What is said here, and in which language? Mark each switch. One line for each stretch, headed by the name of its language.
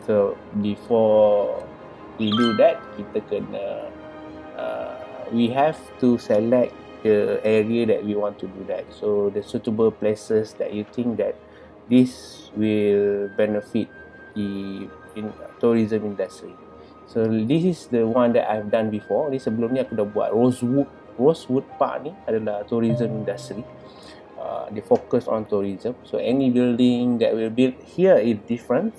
English: So before we do that,
Malay: kita kena
English: we have to select the area that we want to do that. So the suitable places that you think that this will benefit the in tourism industry. So this is the one that I've done before.
Malay: Ni sebelum ni aku dah buat Rosewood Park ni adalah tourism industry.
English: They focus on tourism. So any building that will build here is different.